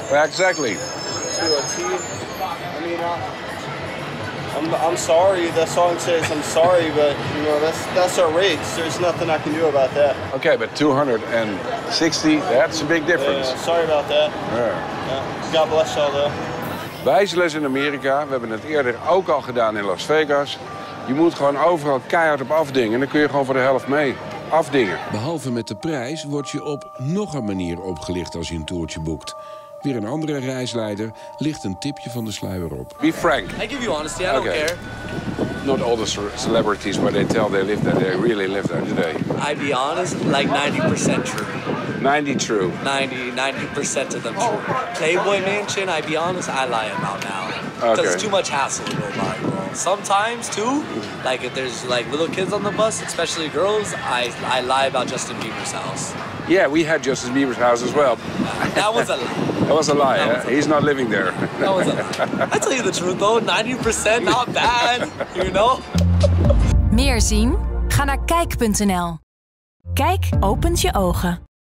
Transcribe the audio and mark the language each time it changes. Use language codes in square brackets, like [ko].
[en] Exactly. To a T? I mean, I'm sorry. The song says I'm sorry, but you know that's our rates. There's nothing I can do about that. Okay, but 260, that's a big difference. Yeah, sorry about that. Yeah. God bless y'all, though. [nl] Wijsles in Amerika, we hebben het eerder ook al gedaan in Las Vegas. Je moet gewoon overal keihard op afdingen en dan kun je gewoon voor de helft mee afdingen. Behalve met de prijs word je op nog een manier opgelicht als je een toertje boekt. Weer een andere reisleider ligt een tipje van de sluier op. [en] Be frank. I give you honesty, I don't okay. care. Not all the celebrities where they tell they live there, they really live there today. I be honest, like 90% true. 90 true. 90% of them true. Playboy Mansion, I be honest, I lie about now. Okay. Because it's too much hassle to go by. Sometimes too, like if there's like little kids on the bus, especially girls, I lie about Justin Bieber's house. Yeah, we had Justin Bieber's house as well. That was a lie. That was a lie. Was a lie. He's not living there. That was a lie. I tell you the truth though, 90% not bad, you know? [nl] Meer zien? Ga naar kijk.nl. Kijk opent je ogen.